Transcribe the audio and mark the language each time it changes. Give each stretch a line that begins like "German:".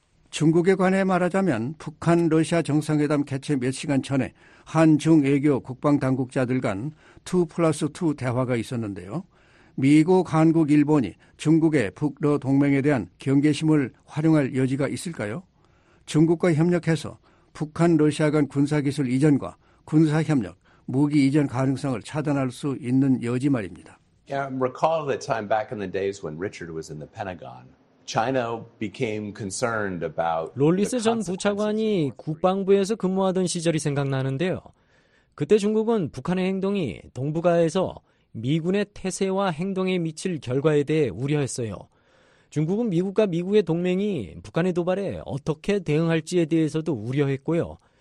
Korean: 중국에 관해 말하자면 북한 러시아 정상회담 개최 몇 시간 전에 한중 외교 국방 당국자들 간 2 플러스 2 대화가 있었는데요. 미국, 한국, 일본이 중국의 북러 동맹에 대한 경계심을 활용할 여지가 있을까요? 중국과 협력해서 북한 러시아 간 군사기술 이전과 군사협력, 무기 이전 가능성을 차단할 수 있는 여지 말입니다.
English: Yeah, recall the time back in the days when Richard was in the Pentagon. China became concerned about.
Korean: 롤리스 전 부차관이 국방부에서 근무하던 시절이 생각나는데요. 그때 중국은 북한의 행동이 동북아에서 미군의 태세와 행동에 미칠 결과에 대해 우려했어요. 중국은 미국과 미국의 동맹이 북한의 도발에 어떻게 대응할지에 대해서도 우려했고요.